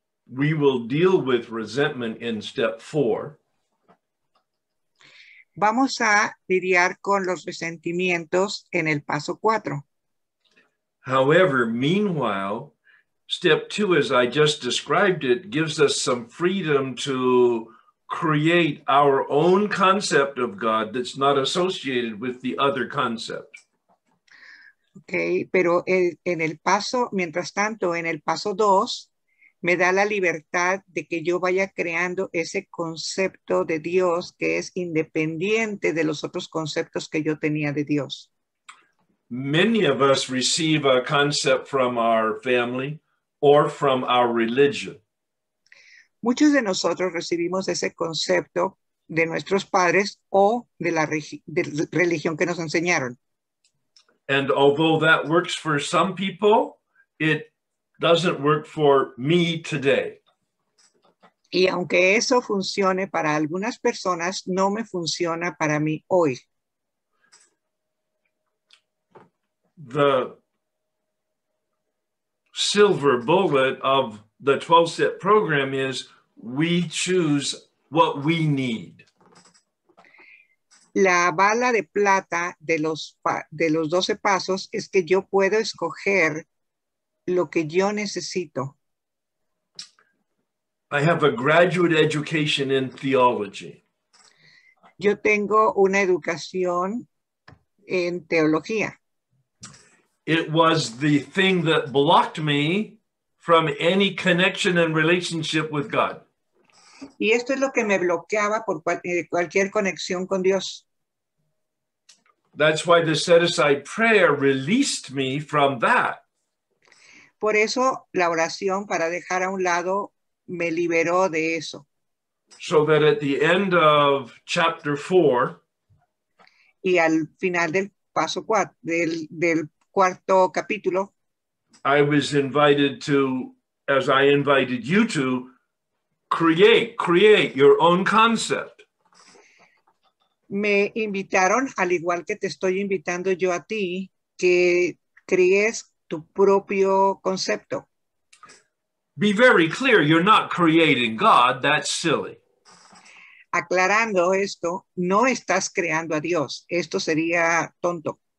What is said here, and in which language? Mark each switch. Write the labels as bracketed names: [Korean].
[English] We will deal with resentment in step four. [Spanish] Vamos a lidiar con los resentimientos en el paso cuatro. [English] However, meanwhile, step two, as I just described it, gives us some freedom to create our own concept of God that's not associated with the other concept. [Spanish] Okay, pero en el paso, mientras tanto, en el paso dos, me da la libertad de que yo vaya creando ese concepto de Dios que es independiente de los otros conceptos que yo tenía de Dios. [English] Many of us receive a concept from our family or from our religion. [Spanish] Muchos de nosotros recibimos ese concepto de nuestros padres o de la religión que nos enseñaron. [English] And although that works for some people, it doesn't work for me today. [Spanish] Y aunque eso funcione para algunas personas, no me funciona para mí hoy. [English] The silver bullet of the 12-step program is we choose what we need. [Spanish] La bala de plata de los 12 pasos es que yo puedo escoger lo que yo necesito. [English] I have a graduate education in theology. [Spanish] Yo tengo una educación en teología. [English] It was the thing that blocked me from any connection and relationship with God. [Spanish] Y esto es lo que me bloqueaba por cualquier conexión con Dios. [English] That's why the set-aside prayer released me from that. [Spanish] Por eso la oración para dejar a un lado me liberó de eso. [English] So that at the end of chapter four, [Spanish] y al final del paso cuatro, del cuarto capítulo, [English] I was invited to, as I invited you to, create your own concept. [Spanish] Me invitaron, al igual que te estoy invitando yo a ti, que crees tu propio concepto. [English] Be very clear, you're not creating God, that's silly. [Spanish] Aclarando esto, no estás creando a Dios, esto sería tonto.